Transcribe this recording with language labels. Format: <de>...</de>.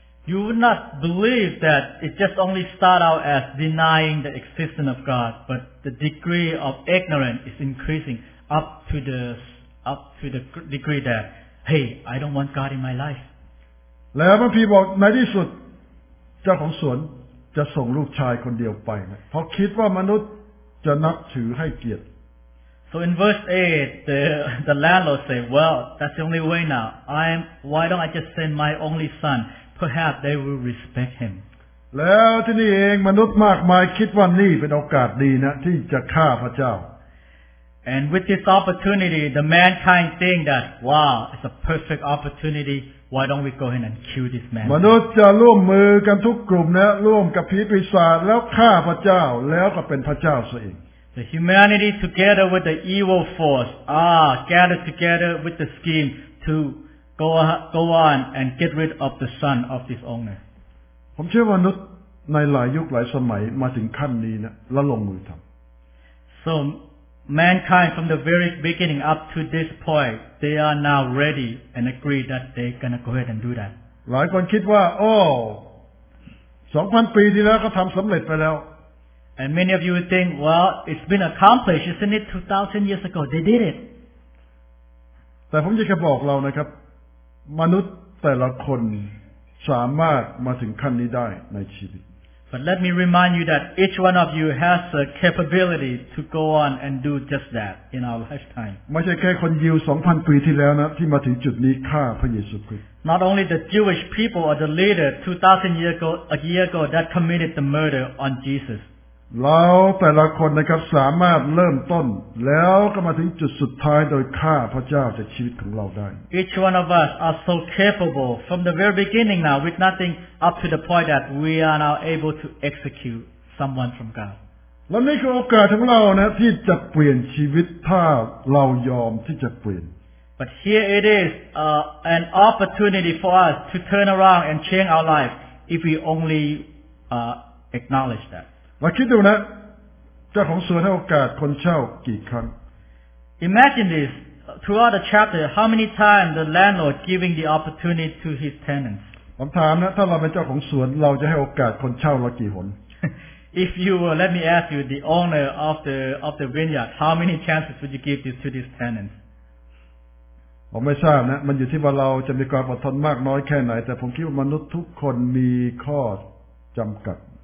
<en>You would not believe that it just only start out as denying the existence of God, but the degree of ignorance is increasing up to the degree that. Hey, I don't want God in my life.</en> <th>แล้วพระพี่บอกในที่สุดเจ้าของสวนจะส่งลูกชายคนเดียวไปนะเพราะคิดว่ามนุษย์จะนับถือให้เกียรติ</th> <en>So in verse 8, the landlord said, Well, that's the only way now. Why don't I just send my only son? Perhaps they will respect him.</en> <th>แล้วที่นี่เองมนุษย์มากมายคิดว่านี่เป็นโอกาสดีนะที่จะฆ่าพระเจ้า</th> <en>And with this opportunity, the mankind think that, wow, it's a perfect opportunity. Why don't we go ahead and kill this man?</en> <th>มนุษย์จะร่วมมือกันทุกกลุ่มนะร่วมกับผีปีศาจแล้วฆ่าพระเจ้าแล้วก็เป็นพระเจ้าซะเอง</th> <en>The humanity together with the evil force gathered together with the scheme to go on and get rid of the son of this owner.</en> <th>ผมเชื่อมนุษย์ในหลายยุคหลายสมัยมาถึงขั้นนี้นะแล้วลงมือทำ</th> <en>SoMankind from the very beginning up to this point, they are now ready and agree that they're gonna go ahead and do that.</en> <th>หลายคนคิดว่าโอ้ 2,000 ปีที่แล้วก็ทำสำเร็จไปแล้ว</th> <en>And many of you would think, well, it's been accomplished, isn't it? 2,000 years ago, they did it.</en> <th>แต่ผมอยากจะบอกเรานะครับมนุษย์แต่ละคนสามารถมาถึงขั้นนี้ได้ในชีวิต</th> <en>But let me remind you that each one of you has the capability to go on and do just that in our lifetime.</en> <th>ไม่ใช่แค่คนยิว 2,000 ปีที่แล้วนะที่มาถึงจุดนี้ฆ่าพระเยซูคริสต์</th> <en>Not only the Jewish people or the leader 2,000 years ago, a year ago that committed the murder on Jesus.</en> <th>เราแต่ละคนนะครับสามารถเริ่มต้นแล้วก็มาถึงจุดสุดท้ายโดยฆ่าพระเจ้าจากชีวิตของเราได้</th> <en>Each one of us are so capable from the very beginning now with nothing up to the point that we are now able to execute someone from God</en> <th>และนี่คือโอกาสของเรานะที่จะเปลี่ยนชีวิตถ้าเรายอมที่จะเปลี่ยน</th> <en>But here it is an opportunity for us to turn around and change our life if we only acknowledge that</en> <th>เราคิดดูนะเจ้าของสวนให้โอกาสคนเช่ากี่ครั้ง</th> <en>Imagine this throughout the chapter how many times the landlord giving the opportunity to his tenants</en> <th>ผมถามนะถ้าเราเป็นเจ้าของสวนเราจะให้โอกาสคนเช่าเรากี่หน</th> <en>If you were let me ask you the owner of the vineyard how many chances would you give this to these tenants</en> <th>ผมไม่ทราบนะมันอยู่ที่ว่าเราจะมีความอดทนมากน้อยแค่ไหนแต่ผมคิดว่ามนุษย์ทุกคนมีข้อจำกัด</th>